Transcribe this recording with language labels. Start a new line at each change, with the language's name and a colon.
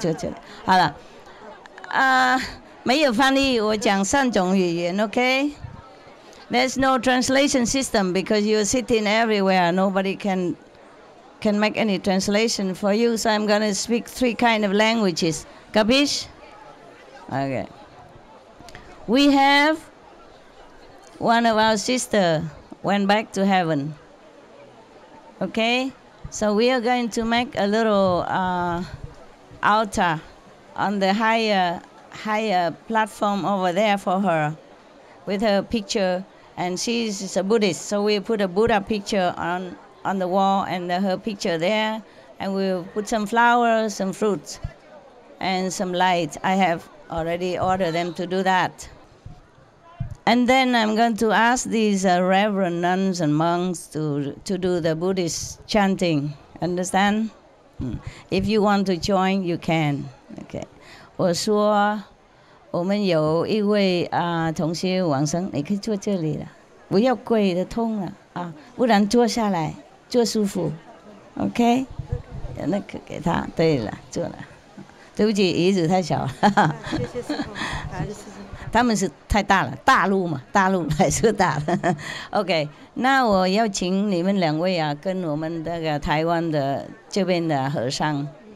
Chinese: 不管是和尚越南或是大陆，你们要保护他们，不要骑来骑去，人家和尚本来不能骑在旁边的了，知道吗？啊，没关系了，一起坐，一起坐，一起坐了。我站了，我站了。不，没关系了。师父是佛菩萨。我坐整天了，不然你坐这里，你坐这里。师父是佛，你坐这里，他坐这里，OK？他静静坐这里，你坐这里。好了，啊。没有翻译，我讲三种语言，OK？
English: There's no translation system because you're sitting everywhere. Nobody can make any translation for you. So I'm gonna speak three kind of languages. Capish? Okay. We have one of our sister went back to heaven. Okay? So we are going to make a little altar on the higher platform over there for her with her picture, and she's a Buddhist, so we put a Buddha picture on the wall and her picture there, and we'll put some flowers, some fruits and some light. I have already ordered them to do that. And then I'm going to ask these reverend nuns and monks to do the Buddhist chanting. Understand? If you want to join, you can. Okay.
Chinese: 我说，我们有一位同学往生，你可以坐这里了，不要跪的痛了啊，不然坐下来坐舒服。OK，那个给他，对了，坐了。对不起，椅子太小了。谢谢师傅，他们是太大了，大陆嘛，大陆还是大的。OK， 那我要请你们两位啊，跟我们那个台湾的这边的和尚。